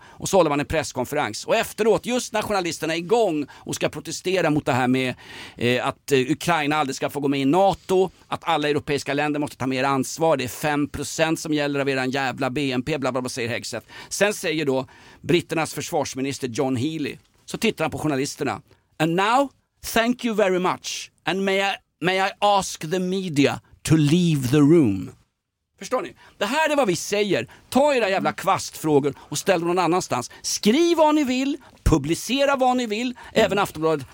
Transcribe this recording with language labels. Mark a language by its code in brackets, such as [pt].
[sv] Och så håller man en presskonferens. Och efteråt, just när journalisterna är igång och ska protestera mot det här med att Ukraina aldrig ska få gå med i NATO. Att alla europeiska länder måste ta mer ansvar. Det är 5% som gäller av eran jävla BNP, bla bla bla, säger Hegseth. Sen säger då britternas försvarsminister John Healy. Så tittar han på journalisterna. [en] And now, thank you very much. And may I ask the media to leave the room. [sv] Förstår ni? Det här är vad vi säger. Ta era jävla kvastfrågor och ställ dem någon annanstans. Skriv vad ni vill, publicera vad ni vill, även Aftonbladet.